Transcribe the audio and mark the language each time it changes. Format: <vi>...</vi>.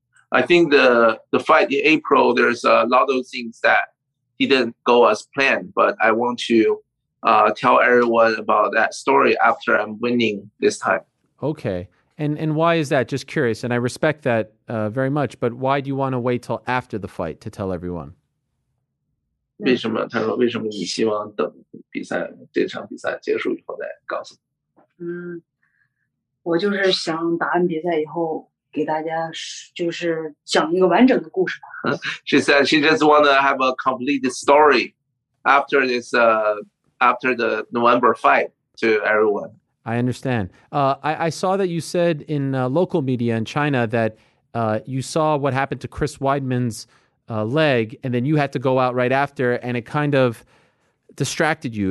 <en>I think the fight in April, there's a lot of things that didn't go as planned, but I want to tell everyone about that story after I'm winning this time. Okay. And why is that? Just curious. And I respect that very much, but why do you want to wait till after the fight to tell everyone?</en> <zh>为什么你希望等这场比赛结束以后再告诉你我就是想打完比赛以后</zh> <en>She said she just want to have a complete story after this, after the November fight to everyone. I understand. I saw that you said in local media in China that you saw what happened to Chris Weidman's leg, and then you had to go out right after, and it kind of distracted you.</en>